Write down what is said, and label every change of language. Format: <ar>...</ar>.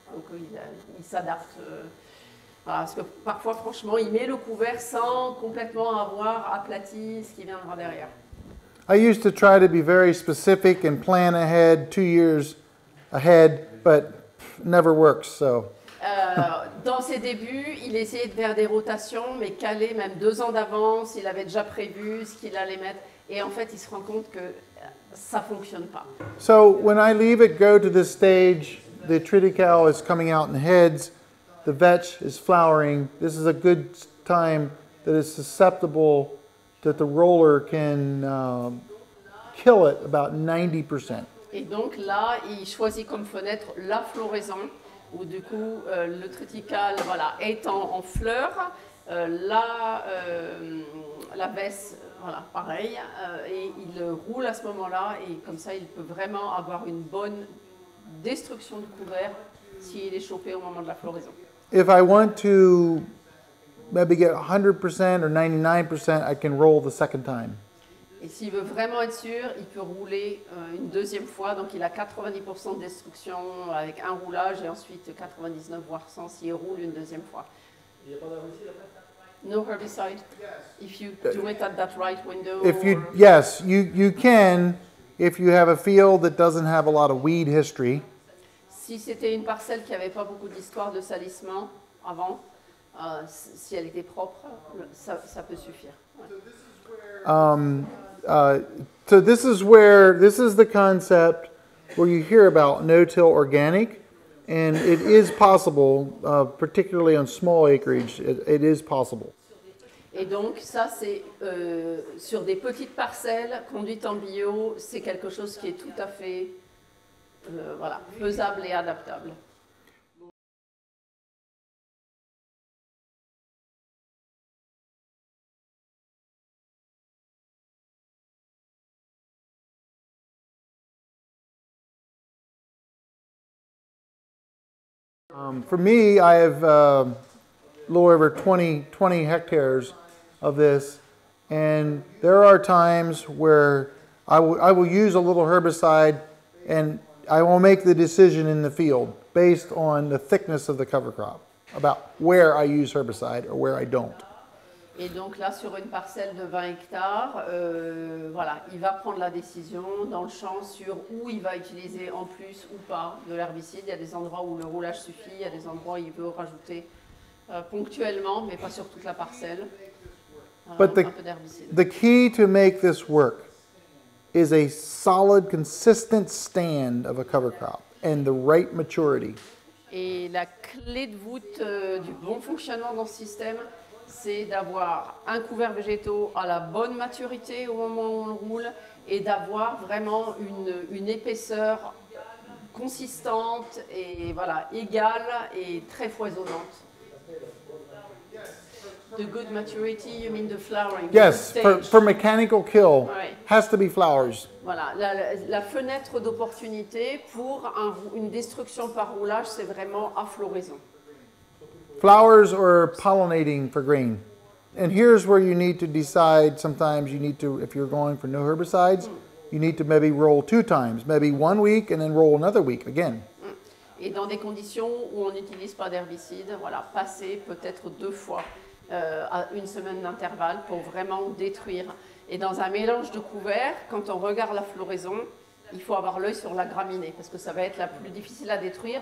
<fr>Donc il s'adapte. Voilà, parce que parfois, franchement, il met le couvert sans complètement avoir aplati ce qui viendra derrière.</fr> <en>I used to try to be very specific and plan ahead, 2 years ahead, but never works, so.</en> <fr>Dans ses débuts, il essayait de faire des rotations, mais calé même 2 ans d'avance, il avait déjà prévu ce qu'il allait mettre, et en fait, il se rend compte que ça ne fonctionne pas.</fr> <en>So, when I leave it go to this stage, the triticale is coming out in heads, the vetch is flowering. This is a good time that is susceptible that the roller can kill it about 90%.</en> <fr>Et donc là, il choisit comme fenêtre la floraison où du coup le triticale voilà est en fleur. La baisse voilà pareil et il roule à ce moment-là et comme ça il peut vraiment avoir une bonne destruction de couvert s'il est chopé au moment de la floraison.</fr> <en>If I want to maybe get 100% or 99%, I can roll the second time.</en> <fr>Et s'il veut vraiment être sûr, il peut rouler une deuxième fois. Donc il a 90% de destruction avec un roulage et ensuite 99 voire 100 s'il roule une deuxième fois.</fr> <en>No herbicide. Yes. If you do it at that right window. If you yes, you can if you have a field that doesn't have a lot of weed history.</en> <fr>Si c'était une parcelle qui n'avait pas beaucoup d'histoire de salissement avant, si elle était propre, ça peut suffire. Ouais.</fr> <en>So this is where this is the concept where you hear about no-till organic, and it is possible, particularly on small acreage, it is possible.</en> <fr>Et donc ça c'est sur des petites parcelles conduites en bio, c'est quelque chose qui est tout à fait faisable et adaptable.</fr> <en>For me, I have a little over 20 hectares of this, and there are times where I will use a little herbicide and I will make the decision in the field based on the thickness of the cover crop about where I use herbicide or where I don't.</en> <fr>Et donc là sur une parcelle de 20 hectares, voilà, il va prendre la décision dans le champ sur où il va utiliser en plus ou pas de l'herbicide. Il y a des endroits où le roulage suffit, il y a des endroits où il veut rajouter ponctuellement mais pas sur toute la parcelle.</fr> <en>But the key to make this work is a solid, consistent stand of a cover crop and the right maturity.</en> <fr>Et la clé de voûte du bon fonctionnement dans ce système, c'est d'avoir un couvert végétaux à la bonne maturité au moment où on le roule et d'avoir vraiment une épaisseur consistante et voilà égale et très foisonnante.</fr> <en>The good maturity, you mean the flowering? Yes, the stage. For mechanical kill, right. Has to be flowers.</en> <fr>Voilà, la fenêtre d'opportunité pour une destruction par roulage, c'est vraiment à floraison.</fr> <en>Flowers or pollinating for grain. And here's where you need to decide, sometimes you need to, if you're going for no herbicides, you need to maybe roll two times, maybe 1 week and then roll another week again.</en> <fr>Et dans des conditions où on n'utilise pas d'herbicide, voilà, passer peut-être deux fois à une semaine d'intervalle pour vraiment détruire. Et dans un mélange de couverts, quand on regarde la floraison, il faut avoir l'œil sur la graminée parce que ça va être la plus difficile à détruire.</fr>